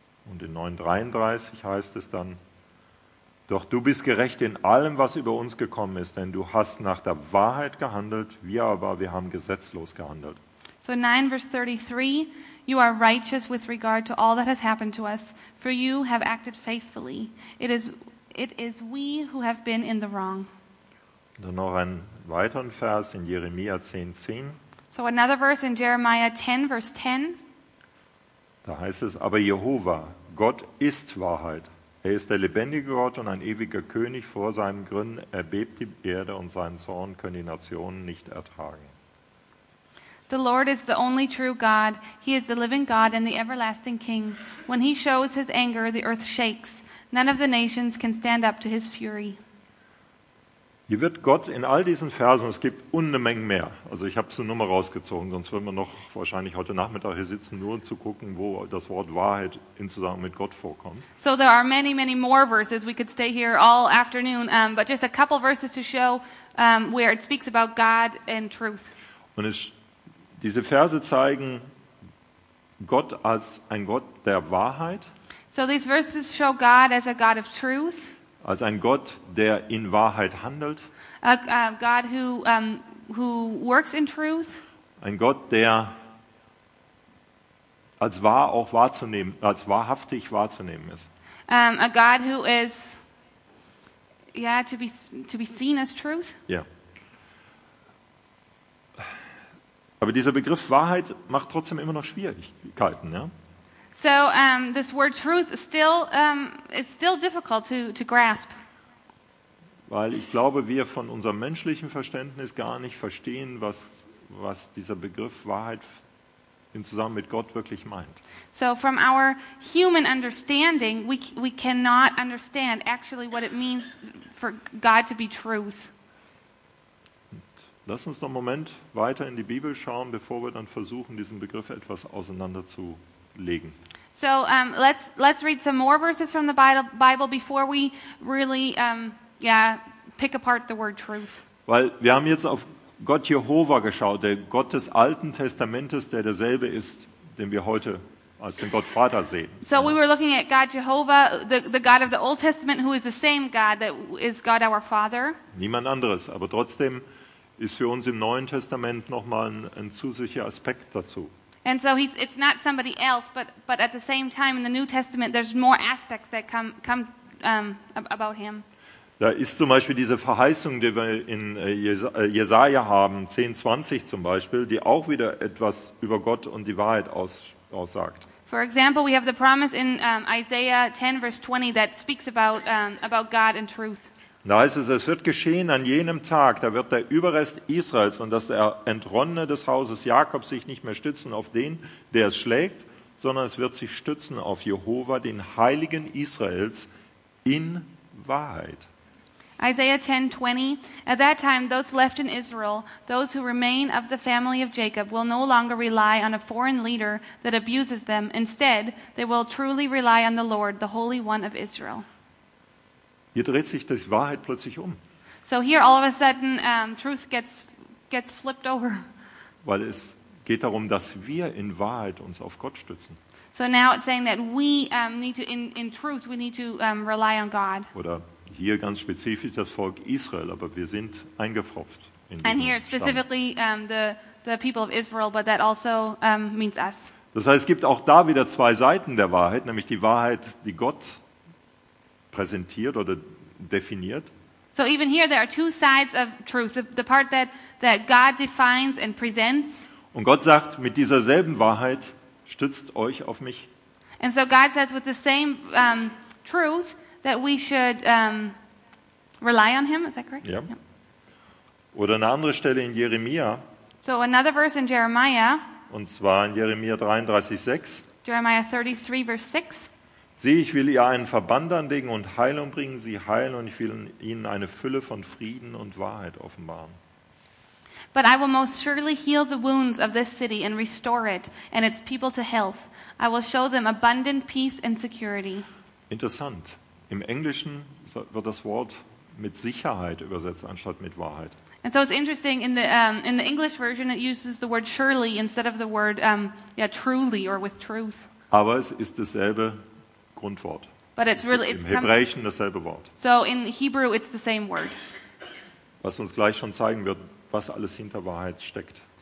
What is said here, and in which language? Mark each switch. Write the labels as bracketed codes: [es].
[de] Und in 9,33 heißt es dann, doch du bist gerecht in allem, was über uns gekommen ist, denn du hast nach der Wahrheit gehandelt, wir haben gesetzlos gehandelt. [en] So 9 verse 33, you are righteous with regard to all that has happened to us, for you have acted faithfully. It is we who have been in the wrong. [de] Dann noch ein weiteren Vers in Jeremia 10:10. [en] So another verse in Jeremiah 10 verse 10. [de] Da heißt es, aber Jehova, Gott ist Wahrheit. Er ist der lebendige Gott und ein ewiger König. Vor seinem Grimm erbebt die Erde und sein Zorn können die Nationen nicht ertragen. [en] The Lord is the only true God. He is the living God and the everlasting King. When he shows his anger, the earth shakes. None of the nations can stand up to his fury. [de] Hier wird Gott in all diesen Versen, es gibt Unmengen mehr. Also ich habe es nur mal rausgezogen, sonst würden wir noch wahrscheinlich heute Nachmittag hier sitzen, nur zu gucken, wo das Wort Wahrheit in Zusammenhang mit Gott vorkommt. [en] So there are many, many more verses. We could stay here all afternoon. But just a couple verses to show where it speaks about God and truth. [de] Und diese Verse zeigen Gott als ein Gott der Wahrheit. [en] So these verses show God as a God of truth. [de] Als ein Gott, der in Wahrheit handelt. [en] A God who works in truth. [de] Ein Gott, der als wahr auch wahrzunehmen, als wahrhaftig wahrzunehmen ist. [en] A God who is, yeah, to be seen as truth. Yeah. [de] Aber dieser Begriff Wahrheit macht trotzdem immer noch Schwierigkeiten, ja? [en] So this word truth still is still difficult to grasp. [de] Weil ich glaube, wir von unserem menschlichen Verständnis gar nicht verstehen, was dieser Begriff Wahrheit in Zusammen mit Gott wirklich meint. [en] So from our human understanding, we cannot understand actually what it means for God to be truth. [de] Lass uns noch einen Moment weiter in die Bibel schauen, bevor wir dann versuchen, diesen Begriff etwas auseinanderzulegen. [en] So, let's read some more verses from the Bible before we really, yeah, pick apart the word truth. [de] Weil wir haben jetzt auf Gott Jehova geschaut, der Gott des Alten Testamentes, der derselbe ist, den wir heute als den Gott Vater sehen. [en] So we were looking at God Jehovah, the God of the Old Testament, who is the same God that is God our Father. [de] Niemand anderes, aber trotzdem ist für uns im Neuen Testament nochmal ein zusätzlicher Aspekt dazu. [en] And so it's not somebody else, but at the same time in the New Testament, there's more aspects that come about him. [de] Da ist zum Beispiel diese Verheißung, die wir in Jesaja haben, 10:20 zum Beispiel, die auch wieder etwas über Gott und die Wahrheit aussagt. [en] For example, we have the promise in Isaiah 10, verse 20, that speaks about God and truth. [de] Da heißt es, es wird geschehen an jenem Tag, da wird der Überrest Israels und das Entronnene des Hauses Jakobs sich nicht mehr stützen auf den, der es schlägt, sondern es wird sich stützen auf Jehova, den Heiligen Israels, in Wahrheit. [en] Isaiah 10:20. At that time, those left in Israel, those who remain of the family of Jacob, will no longer rely on a foreign leader that abuses them. Instead, they will truly rely on the Lord, the Holy One of Israel. [de] Hier dreht sich die Wahrheit plötzlich um. [en] So here, all of a sudden, truth gets flipped over. [de] Weil es geht darum, dass wir in Wahrheit uns auf Gott stützen. [en] So now it's saying that we need to, in truth, we need to rely on God. [de] Oder hier ganz spezifisch das Volk Israel, aber wir sind eingefropft. [en] And here specifically the people of Israel, but that also means us. [de] Das heißt, es gibt auch da wieder zwei Seiten der Wahrheit, nämlich die Wahrheit, die Gott präsentiert oder definiert. [en] So even here there are two sides of truth, the part that God defines and presents. [de] Und Gott sagt, mit dieser selben Wahrheit stützt euch auf mich. [en] And so God says with the same truth that we should rely on him, is that correct? Yeah. Yeah. [de] Oder eine andere Stelle in Jeremia. [en] So another verse in Jeremiah. [de] Und zwar in Jeremia 33:6. [en] Jeremiah 33, verse 6. [de] Sieh, ich will ihr einen Verband anlegen und Heilung bringen, sie heilen und ich will ihnen eine Fülle von Frieden und Wahrheit offenbaren. [en] But I will most surely heal the wounds of this city and restore it and its people to health. I will show them abundant peace and security. [de] Interessant. Im Englischen wird das Wort mit Sicherheit übersetzt anstatt mit Wahrheit. [en] And so it's interesting in the English version it uses the word surely instead of the word truly or with truth. [de] Aber es ist dasselbe Grundwort. [en] But it's really, it's [de] im Hebräischen dasselbe Wort. [en] So in Hebrew it's the same word. [de] Was uns gleich schon zeigen wird, was alles hinter Wahrheit steckt.